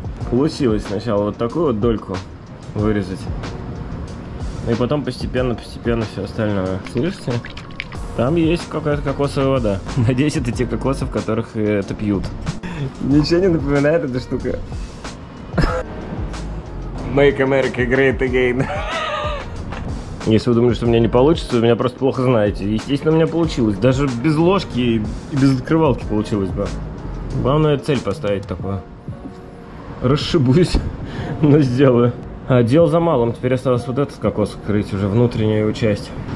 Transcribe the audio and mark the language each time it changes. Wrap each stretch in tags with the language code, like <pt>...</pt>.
<ru>Получилось сначала вот такую вот дольку вырезать. И потом постепенно все остальное. Слышите? Там есть какая-то кокосовая вода. Надеюсь, это те кокосы, в которых это пьют. Ничего не напоминает эта штука.</ru> <en>Make America great again.</en> <ru>Если вы думаете, что у меня не получится, вы меня просто плохо знаете. Естественно, у меня получилось. Даже без ложки и без открывалки получилось бы. Главное — цель поставить такую. Расшибусь, но сделаю. А дело за малым. Теперь осталось вот этот кокос открыть, уже внутреннюю часть.</ru>